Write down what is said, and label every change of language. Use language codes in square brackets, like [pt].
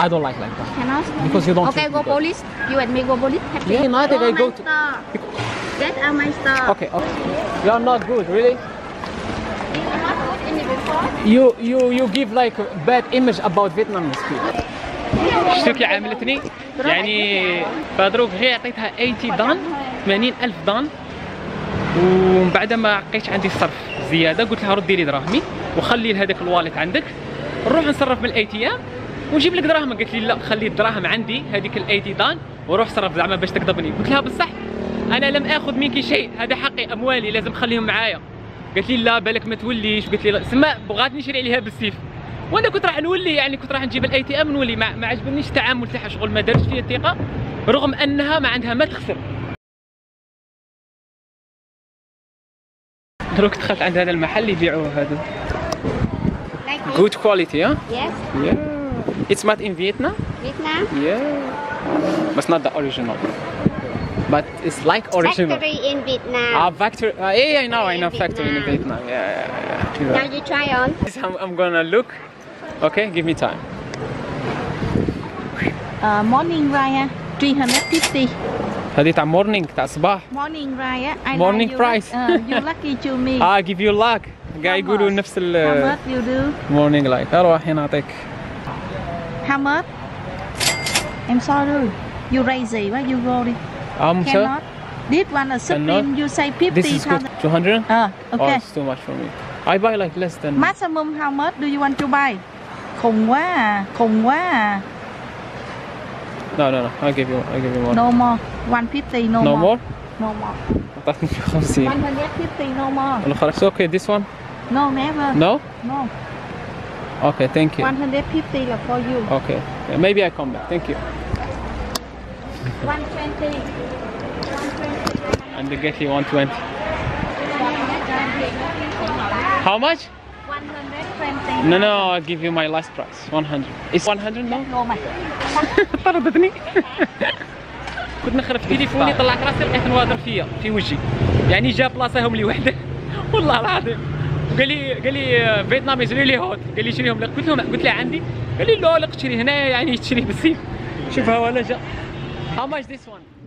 [en] I don't like that. Can I ask? Because you don't okay, go police. That. You and me go police. Yeah, no, I think oh, I go star. To... Get out my stuff. Okay, okay. You are not good, really? You are not good in the You give like a bad image about Vietnamese people. [ar] شتوكي عاملتني يعني بادروك غير عطيتها 80 دان 80 ألف دان ومن بعد ما عقيتش عندي الصرف زيادة قلت لها ردي لي دراهمي وخلي لهذاك الوالت عندك نروح نصرف من الاي تي ام ونجيب لك دراهم قالت لي لا خلي الدراهم عندي هذيك الاي تي دان وروح صرف زعما باش تقضبني قلت لها بصح انا لم اخذ منك شيء هذا حقي اموالي لازم خليهم معايا قالت لي لا بالك ما توليش قلت لي لا سما بغات نشري عليها بالسيف وانا كنت راح نولي يعني كنت راح نجيب الاي تي ام نولي ما عجبنيش التعامل تاعها شغل ما دارش فيا الثقه رغم انها ما عندها ما تخسر دروك دخلت عند هذا المحل يبيعوا هذا [en] good quality yeah yes yeah it's made in Vietnam yeah but not the original but it's like original factory in Vietnam ah factory yeah yeah factory I know factory in Vietnam yeah now you try on I'm gonna look okay give me time morning Raya 350 [ar] هذه تاع morning تاع صباح [en] morning Raya morning price you're lucky to me I give you luck [ar] قاعد يقولوا نفس ال [en] how much you do morning like [ar] اروح هنا اعطيك [en] how much I'm sorry you raise it why you worry cannot sure. this one a supreme cannot. You say 50 this is good 200 okay oh, it's too much for me I buy like less than maximum how much do you want to buy [vi] khùng quá à khùng quá à [en] no I'll give you more no more 150 no, no more. More no more 150 no more [ar] الأخرى [en] it's okay this one no never no no okay thank you 150 for you okay yeah, maybe I come back thank you 120 and the get you 120 how much No, no, I'll give you my last price, 100. It's 100 now? No, my. [ar] طردتني. كنت نخرب تليفوني طلعت راسي لقيت نواظر فيا في وجهي. يعني جا بلاصه هم لي وحده والله العظيم. قال لي فيتنام [en] Is really hot. [ar] قال لي شريهم لك. قلت له عندي. قال لي لا لك شري هنا يعني تشري بالسيف. شوف ها ولا جا. [en] How much this one?